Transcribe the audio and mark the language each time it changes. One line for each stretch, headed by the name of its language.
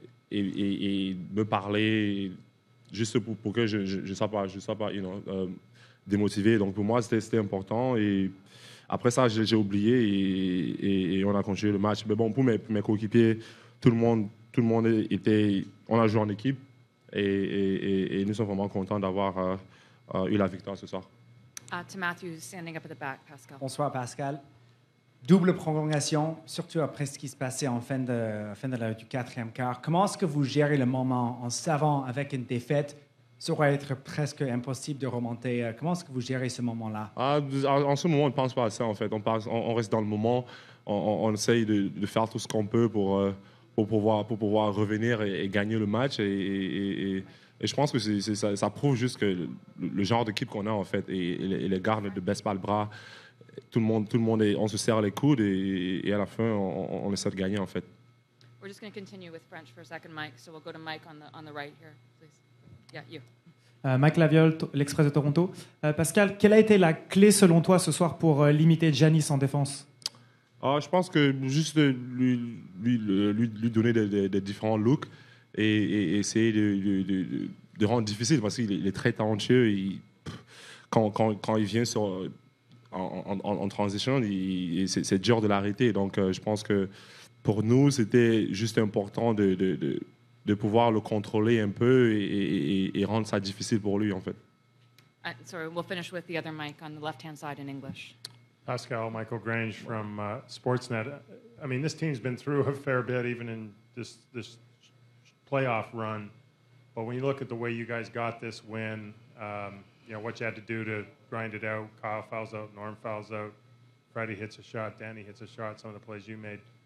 French: et me parler juste pour que je sois pas
English: you know,
French: démotivé. Donc pour moi c'était important et après ça j'ai oublié et on a continué le match. Mais bon, pour mes coéquipiers, tout le monde était, on a joué en équipe et nous sommes vraiment contents d'avoir eu la victoire ce soir.
English: To Matthew, standing up at the back, Pascal.
French: Bonsoir, Pascal. Double prolongation, surtout après ce qui se passait en fin du quatrième quart. Comment est-ce que vous gérez le moment en savant avec une défaite, ça va être presque impossible de remonter. Comment est-ce que vous gérez ce moment-là? En ce moment, on ne pense pas à ça, en fait. On reste dans le moment. On essaye de faire tout ce qu'on peut pour pouvoir revenir et gagner le match. Et je pense que ça prouve juste que le genre d'équipe qu'on a, en fait, et les gars ne baissent pas le bras. Tout le monde on se serre les coudes et à la fin, on essaie de gagner, en fait.
English: We're just going to continue with French for a second, Mike. So we'll go to Mike on the right here, please. Yeah, you.
French: Mike Laviolle, l'Express de Toronto. Pascal, quelle a été la clé, selon toi, ce soir pour limiter Giannis en défense? Je pense que juste lui donner des différents looks et essayer de rendre difficile parce qu'il est très talentueux. Quand il vient en transition, c'est dur de l'arrêter. Donc je pense que pour nous, c'était juste important de pouvoir le contrôler un peu et rendre ça difficile pour lui, en fait.
English: Sorry, we'll finish with the other mic on the left-hand side in English. Pascal, Michael Grange from Sportsnet. I mean, this team's been through a fair bit, even in this playoff run. But when you look at the way you guys got this win, you know, what you had to do to grind it out, Kyle fouls out, Norm fouls out, Freddie hits a shot, Danny hits a shot, some of the plays you made.